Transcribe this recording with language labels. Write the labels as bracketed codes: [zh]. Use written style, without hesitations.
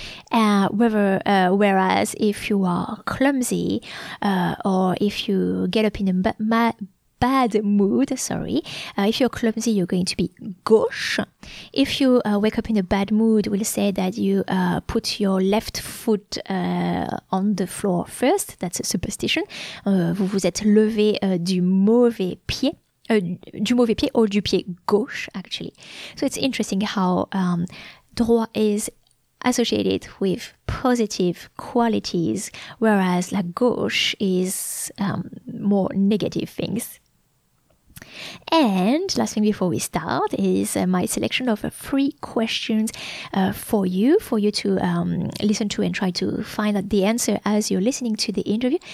[en] Whereas if you are clumsy or if you get up in a bad mood, sorry, if you're clumsy, you're going to be gauche. If you wake up in a bad mood, we'll say that you put your left foot on the floor first. That's a superstition. [fr] Vous vous êtes levé du mauvais pied or du pied gauche, actually. [en] So it's interesting how droit is associated with positive qualities, whereas la gauche is more negative things. And last thing before we start is my selection of three questions for you to listen to and try to find out the answer as you're listening to the interview.